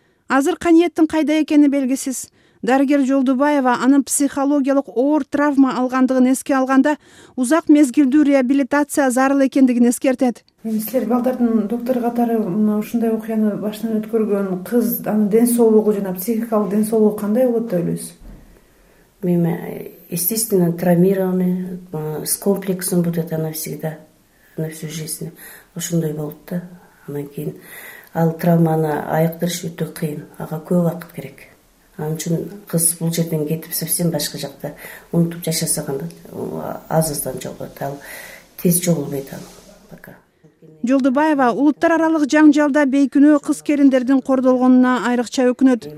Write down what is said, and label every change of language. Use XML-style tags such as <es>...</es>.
<ky>Азыр Каниеттин кайда экени белгисиз. Дарыгер Жолдубаева анын психологиялык оор травма алгандыгын эске алганда узак мезгилдүү реабилитация зарыл экендигин эскертет. Эми силер балдардын доктору катары ушундай окуяны башынан өткөргөн кыз анын ден соолугу жана психикалык ден соолугу кандай болот деп ойлойсуз?</ky> <ru>Мен естественно травмированный с комплексом будет она всегда на всю жизнь</ru> <ky>ошондой болот да. Анан кийин ал травманы айыктырыш өтө кыйын, ага көп убакыт керек. Ал үчүн кыз бул жерден кетип совсем башка жакта унутуп жашаса кандай аз аздан жоголот, ал тез жоголбойт ал пока. Жолдубаева улуттар аралык жаңжалда бейкүнөө кыз келиндердин кордолгонуна айрыкча өкүнөт.</ky>